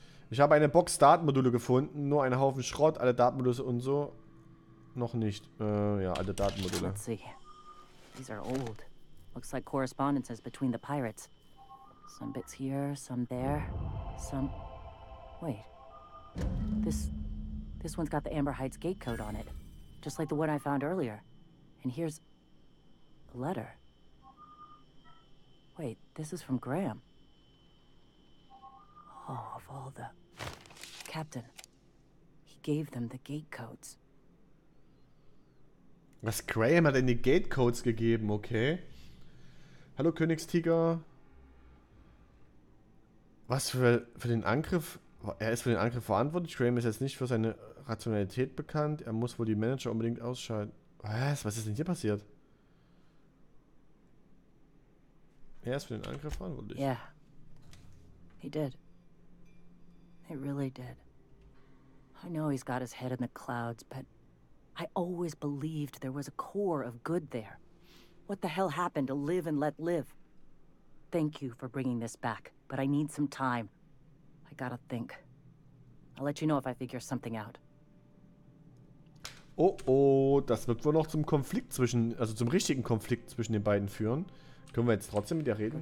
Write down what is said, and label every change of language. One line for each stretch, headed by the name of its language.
German: Ich habe eine Box Datenmodule gefunden, nur einen Haufen Schrott, alle Datenmodule und so. Noch nicht. Ja, alle Datenmodule.
English: Let's see. These are old. Looks like correspondences between the pirates. Some bits here, some there, some... Wait. This one's got the Amber Heights gate code on it. Just like the one I found earlier. And here's... a letter. Wait, this is from Graham. Oh, of all the... Captain, he gave them the gate codes.
German: Was, Graham hat denn die Gate Codes gegeben, okay. Hallo Königstiger. Was für den Angriff? Er ist für den Angriff verantwortlich. Graham ist jetzt nicht für seine Rationalität bekannt. Er muss wohl die Manager unbedingt ausschalten. Was ist denn hier passiert? Er ist für den Angriff verantwortlich.
English: Yeah. He did. He really did. I know he's got his head in the clouds, but I always believed there was a core of good there. What the hell happened to live and let live? Thank you for bringing this back, but I need some time. I gotta think. I'll let you know if I figure something out.
German: Oh oh, das wird wohl noch zum Konflikt zwischen, also zum richtigen Konflikt zwischen den beiden führen. Können wir jetzt trotzdem mit dir reden?